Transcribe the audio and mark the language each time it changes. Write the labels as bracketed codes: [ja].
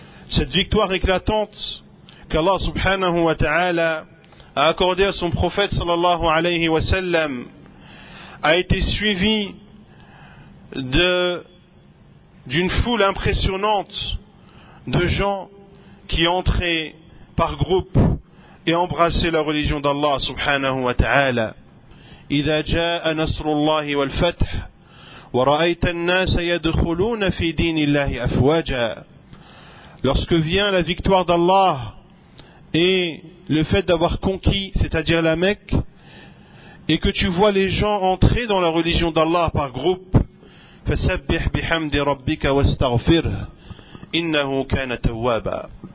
[fr] Cette victoire éclatante qu'Allah subhanahu wa ta'ala a accordé à son prophète sallallahu alayhi wa sallam a été suivi d'une foule impressionnante de gens qui entraient par groupe et embrassaient la religion d'Allah subhanahu wa ta'ala. [ar] إذا جاء نصر الله والفتح ورأيت الناس يدخلون في دين الله أفواجا. [fr] Lorsque vient la victoire d'Allah et le fait d'avoir conquis, c'est-à-dire la Mecque, et que tu vois les gens entrer dans la religion d'Allah par groupe, [ar] فسبح بحمد ربك واستغفره إنه كان توابا.